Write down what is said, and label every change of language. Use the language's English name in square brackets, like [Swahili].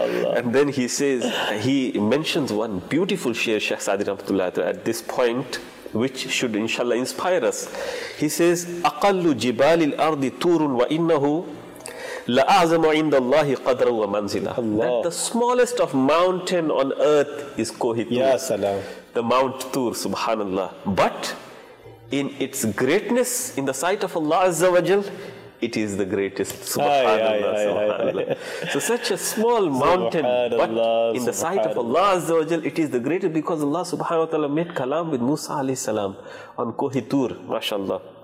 [English] And then he says, he mentions one beautiful sheer, Sheikh Sadir Rahmatullah, at this point, which should inshallah inspire us. He says, [Arabic] أَقَلُّ جِبَالِ الْأَرْضِ تُورٌ وَإِنَّهُ لَأَعْزَمُ عِنْدَ اللَّهِ قَدْرًا وَمَنْزِلًا. [English] That the smallest of mountain on earth is Kohitur. [Arabic] Ya Salam. [English] The Mount Tur, subhanallah. But in its greatness, in the sight of Allah Azza wa Jal, it is the greatest. Subhanallah. So such a small mountain, but in the sight of Allah Azza wa Jal, it is the greatest, because Allah subhanahu wa ta'ala made kalam with Musa alayhi salam on Kohitur, mashallah.